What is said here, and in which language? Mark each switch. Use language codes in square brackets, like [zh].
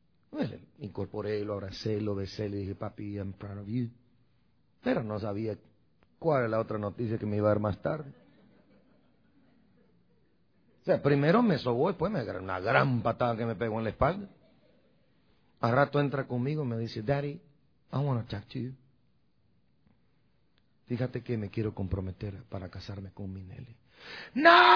[es] Bueno, le incorporé, lo abracé, lo besé, le dije, papi, [en] I'm proud of you. [es] Pero no sabía cuál era la otra noticia que me iba a dar más tarde. O sea, primero me sobó, después me agarró una gran patada que me pegó en la espalda. Al rato entra conmigo y me dice, [en] daddy, I want to talk to you. [es] Fíjate que me quiero comprometer para casarme con Minelli. ¡No!